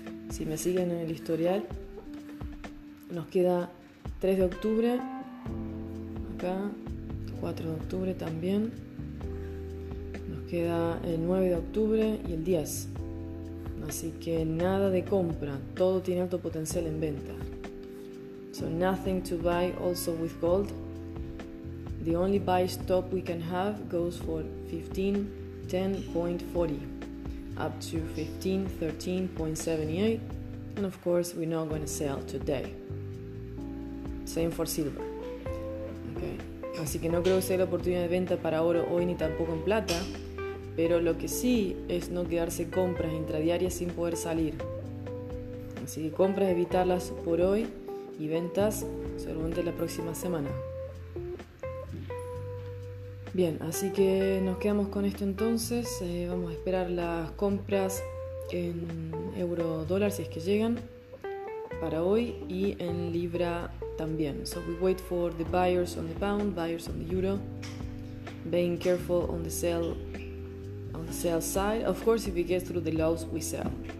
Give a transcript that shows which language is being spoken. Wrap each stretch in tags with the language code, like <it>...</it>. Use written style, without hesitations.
<es>Si me siguen en el historial, nos queda 3 de octubre, acá, 4 de octubre también. Nos queda el 9 de octubre y el 10. Así que nada de compra, todo tiene alto potencial en venta.</es> <en>So nothing to buy also with gold. The only buy stop we can have goes for 10.40 up to 15.13.78, and of course we're not going to sell today. Same for silver. Okay.</en> <es>Así que no creo que sea la oportunidad de venta para oro hoy ni tampoco en plata, pero lo que sí es no quedarse compras intradiarias sin poder salir. Así que compras evitarlas por hoy y ventas solamente la próxima semana. Bien, así que nos quedamos con esto entonces. Vamos a esperar las compras en euro dólar, si es que llegan, para hoy, y en libra también.</es> <en>So we wait for the buyers on the pound, buyers on the euro, being careful on the sell on the sales side. Of course, if it gets through the lows, we sell.</en>